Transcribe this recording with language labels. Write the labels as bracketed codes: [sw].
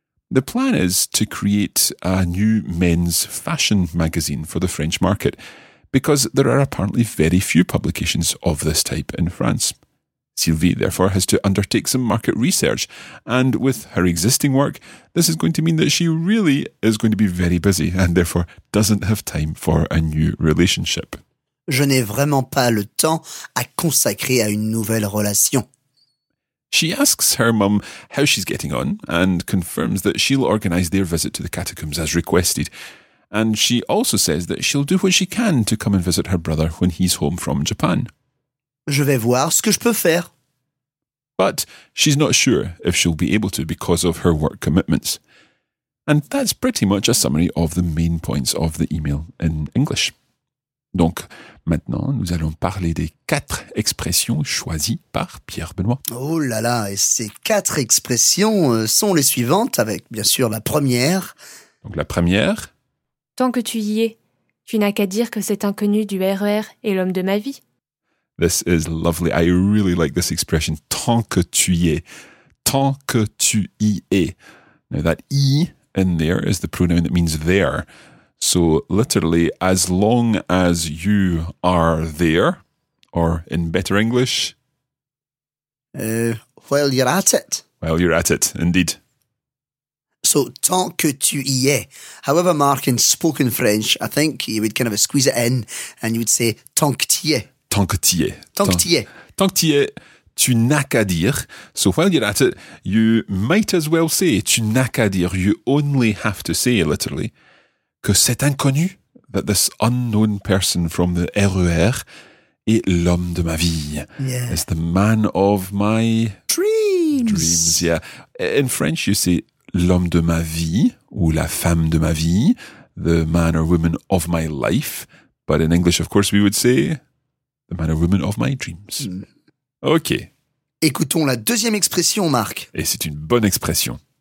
[en] The plan is to create a new men's fashion magazine for the French market, because there are apparently very few publications of this type in France. Sylvie, therefore, has to undertake some market research, and with her existing work, this is going to mean that she really is going to be very busy and therefore doesn't have time for a new relationship. [fr] Je n'ai vraiment pas le temps à consacrer à une nouvelle relation. [en] She asks her mum how she's getting on and confirms that she'll organise their visit to the catacombs as requested. And she also says that she'll do what she can to come and visit her brother when he's home from Japan. [fr] Je vais voir ce que je peux faire. [en] But she's not sure if she'll be able to because of her work commitments. And that's pretty much a summary of the main points of the email in English. [fr] Donc, maintenant, nous allons parler des quatre expressions choisies par Pierre Benoît. Oh là là, et ces quatre expressions sont les suivantes, avec bien sûr la première. Donc la première. Tant que tu y es, tu n'as qu'à dire que cet inconnu du RER est l'homme de ma vie. [en] This is lovely. I really like this expression. [fr] Tant que tu y es. Tant que tu y es. [en] Now that y in there is the pronoun that means there. So literally, as long as you are there, or in better English. While you're at it. While you're at it, indeed. [fr] So tant que tu y es. [en] However, Mark, in spoken French, I think you would kind of squeeze it in and you would say [fr] tant que tu y es. Tant que t'y es. Tant que t'y es. Tant que t'y es, tu n'as qu'à dire. [en] So while you're at it, you might as well say, [fr] tu n'as qu'à dire, [en] you only have to say, literally, [fr] que cet inconnu, [en] that this unknown person from the RER, [fr] est l'homme de ma vie. [en] Yeah. Is the man of my... Dreams. Yeah. In French, you say [fr] l'homme de ma vie, [en] ou la femme de ma vie, the man or woman of my life. But in English, of course, we would say... The man or woman of my dreams. Ok. [fr] Écoutons la deuxième expression, Marc. Et c'est une bonne expression.